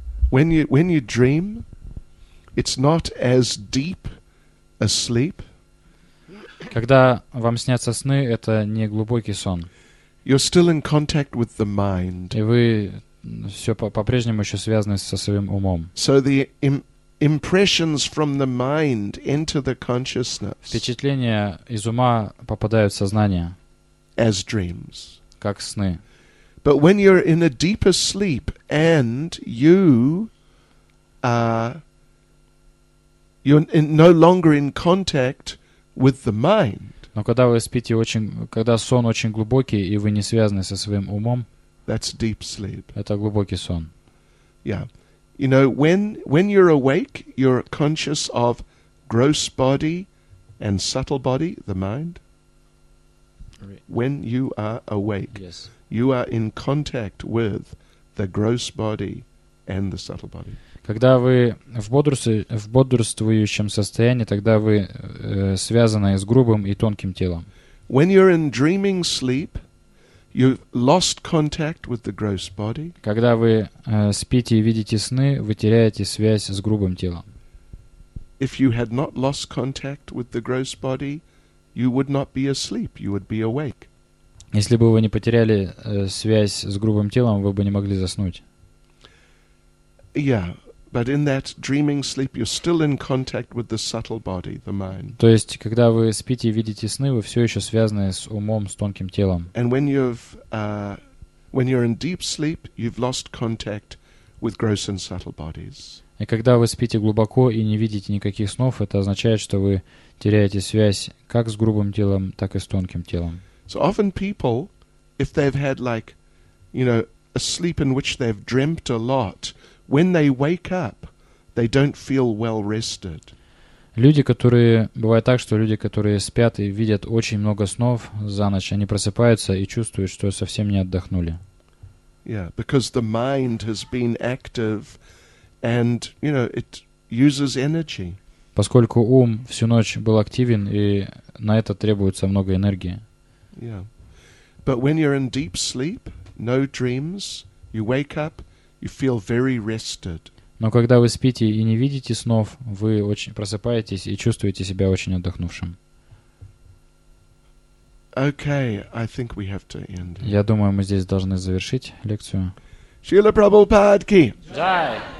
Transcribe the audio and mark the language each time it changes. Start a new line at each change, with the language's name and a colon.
English: When you dream, it's not as deep a sleep.
Russian: Когда вам снятся сны, это не глубокий сон.
English: You're still in contact with the mind.
Russian: И вы все по-прежнему еще связаны со своим умом.
English: So the impressions from the mind enter the consciousness.
Russian: Впечатления из ума попадают в сознание.
English: As dreams.
Russian: Как сны.
English: But when you're in a deeper sleep and you you're in, no longer in contact with the mind.
Russian: Но когда вы спите очень, когда сон очень глубокий и вы не связаны со своим умом.
English: That's deep sleep.
Russian: Это глубокий сон.
English: Yeah. You know, when you're awake, you're conscious of gross body and subtle body, the mind. When you are awake. Yes. You are in contact with the gross body and the subtle body.
Russian: Когда вы в бодрствующем состоянии, тогда вы связаны с грубым и тонким телом.
English: When you're in dreaming sleep, you've lost contact with the gross body.
Russian: Когда вы спите и видите сны, вы теряете связь с грубым телом.
English: If you had not lost contact with the gross body, you would not be asleep, you would be awake.
Russian: Если бы вы не потеряли связь с грубым телом, вы бы не могли заснуть.
English: Yeah, but in that dreaming sleep you're still in contact with the subtle body, the mind.
Russian: То есть когда вы спите и видите сны, вы все еще связаны с умом, с тонким телом.
English: And when you're in deep sleep, you've lost contact with gross and subtle bodies.
Russian: И когда вы спите глубоко и не видите никаких снов, это означает, что вы теряете связь как с грубым телом, так и с тонким телом.
English: So often people, if they've had like, you know, a sleep in which they've dreamt a lot, when they wake up, they don't feel well rested.
Russian: Люди, которые, бывает так, что люди, которые спят и видят очень много снов за ночь, они просыпаются и чувствуют, что совсем не отдохнули.
English: Yeah, because the mind has been active and, you know, it uses energy.
Russian: Поскольку ум всю ночь был активен, и на это требуется много энергии.
English: Yeah. But when you're in deep sleep, no dreams, you wake up, You feel very rested.
Russian: Но когда вы спите и не видите снов, вы очень просыпаетесь и чувствуете себя очень отдохнувшим.
English: Okay, I think we have to end.
Russian: Я думаю, мы здесь должны завершить лекцию. Шрила Прабхупад ки. Джай.